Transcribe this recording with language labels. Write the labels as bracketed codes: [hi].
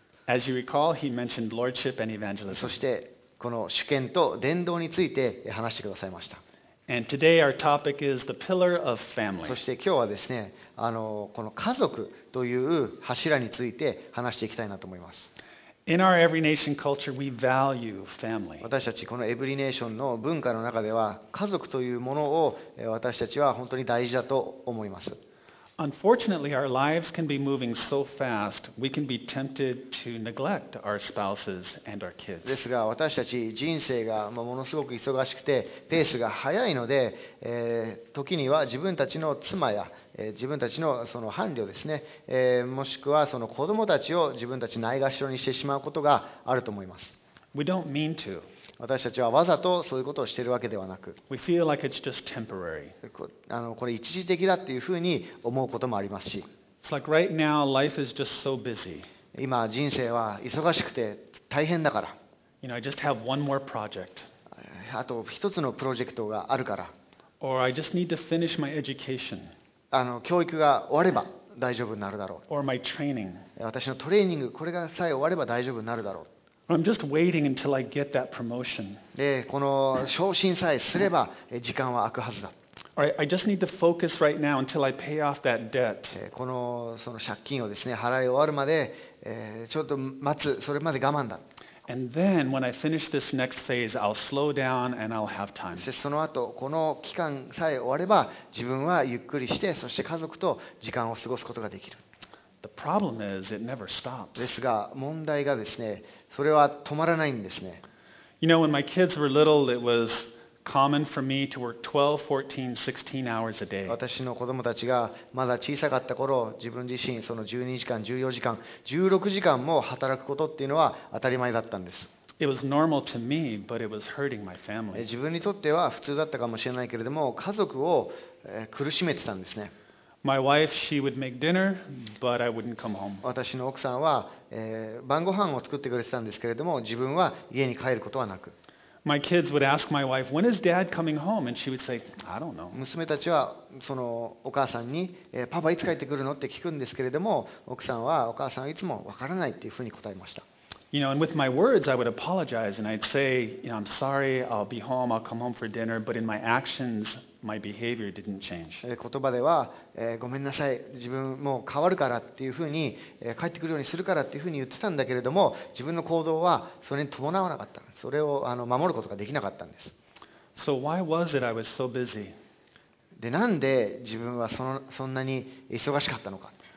[en] As you recall, he mentioned lordship and evangelism. [ja] そしてこの主権と伝道について話してくださいました。 [en] And today our topic is the pillar of family. [ja] そして今日はですね、この家族という柱について話していきたいなと思います。 [en] In our every nation culture, we value family. [ja] 私たちこのエブリネーションの文化の中では、家族というものを私たちは本当に大事だと思います。 [en] Unfortunately, our lives can be moving so fast, we can be tempted to neglect our spouses and our kids. [ja] ですが、私たち人生がものすごく忙しくて、ペースが速いので、時には自分たちの妻や自分たち その伴侶ですね、もしくはその子供たちを自分たちないがしろにしてしまうことがあると思います。 [en] We don't mean to. [ja] 私たちはわざとそういうことをしているわけではなく、 [en] We feel like it's just temporary. [ja] これ一時的だというふうに思うこともありますし、 [en] It's like right now, life is just so busy. [ja] 今人生は忙しくて大変だから、 [en] You know, I just have one more project. [ja] あと一つのプロジェクトがあるから、 [en] Or I just need to finish my education. [ja] 教育が終われば大丈夫になるだろう。 [en] Or my training. [ja] 私のトレーニング、これがさえ終われば大丈夫になるだろう。 [en] I'm just waiting until I get that promotion. [ja] で、この昇進さえすれば時間は空くはずだ。 [en] All right, I just need to focus right now until I pay off that debt. [ja] このその借金をですね、払い終わるまで、ちょっと待つ、それまで我慢だ。 [en] And then when I finish this next phase, I'll slow down and I'll have time. [ja] そしてその後この期間さえ終われば自分はゆっくりしてそして家族と時間を過ごすことができる。 [en] The problem is it never stops. [ja] ですが問題がですね、それは止まらないんですね。 [en] You know, when my kids were little, it was common for me to work 12, 14, 16 hours a day. [ja] 私の子供たちがまだ小さかった頃、自分自身その12時間、14時間、16時間も働くことっていうのは当たり前だったんです。 [en] It was normal to me, but it was hurting my family. [ja] 自分にとっては普通だったかもしれないけれども、家族を苦しめてたんですね。 [en] My wife, she would make dinner, but I wouldn't come home. [ja] 私の奥さんは、晩ご飯を作ってくれてたんですけれども、自分は家に帰ることはなく。 [en] My kids would ask my wife, "When is Dad coming home?" And she would say, "I don't know." [ja] 娘たちはそのお母さんに、パパいつ帰ってくるのって聞くんですけれども、奥さんはお母さんはいつもわからないっていうふうに答えました。 [en] You know, and with my words, I would apologize and I'd say, "You know, I'm sorry. I'll be home. I'll come home for dinner." But in my actions, my behavior didn't change. [ja] 言葉では、ごめんなさい、自分もう変わるからっていうふうに、帰ってくるようにするからっていうふうに言ってたんだけれども、自分の行動はそれに伴わなかった。それを守ることができなかったんです。 [en] So why was it I was so busy? [ja] で、なんで自分はそんなに忙しかったのか。